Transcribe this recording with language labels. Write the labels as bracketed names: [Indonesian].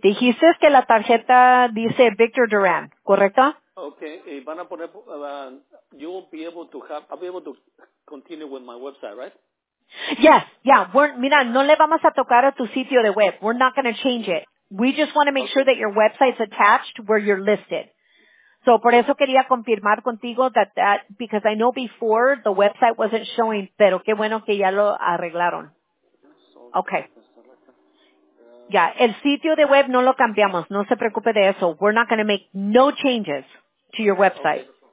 [Spanish] Dijiste que la tarjeta dice Victor Duran, ¿correcto? [English] Okay. [Spanish] Y van a poner, [English] you will be able to have, I'll be able to continue with my website, right? Yes. Yeah. [Spanish] Mira, no le vamos a tocar a tu sitio de web. [English] We're not going to change it. We just want to make sure that your website's attached where you're listed. So [Spanish] por eso quería confirmar contigo [English] that, because I know before the website wasn't showing, [Spanish] pero qué bueno que ya lo arreglaron. [English] Okay. [Spanish] Yeah, el sitio de web no lo cambiamos. No se preocupe de eso. [English] We're not going to make no changes to your website.